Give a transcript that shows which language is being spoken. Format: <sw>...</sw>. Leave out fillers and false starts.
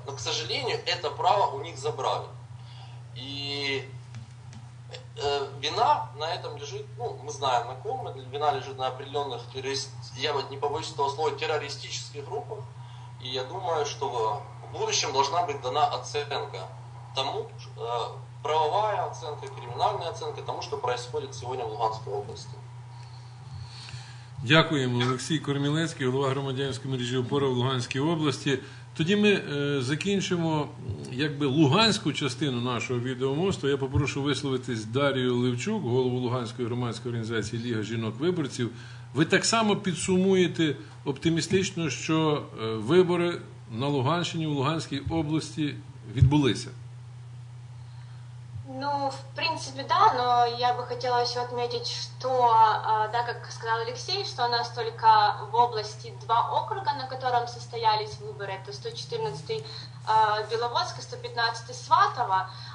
<ru>Но, к сожалению, это право у них забрали. И вина на этом лежит, мы знаем, на ком, вина лежит на определенных, террористических группах, и я думаю, что в будущем должна быть дана оценка тому, правовая оценка, криминальная оценка тому, что происходит сегодня в Луганской области.</ru> <uk>Дякуємо, Олексій Кормілецький, голова громадянської мережі «Опора» в Луганській області. Тоді ми закінчимо луганську частину нашого відеомосту. Я попрошу висловитись Дарію Левчук, голову Луганської громадської організації «Ліга жінок-виборців». Ви так само підсумуєте оптимістично, що вибори на Луганщині, в Луганській області відбулися?</uk> <ru>В принципе, да, но я бы хотела еще отметить, что, да, как сказал Алексей, что у нас только в области два округа, на котором состоялись выборы, это 114-й Беловодск и 115-й Сватово.</ru>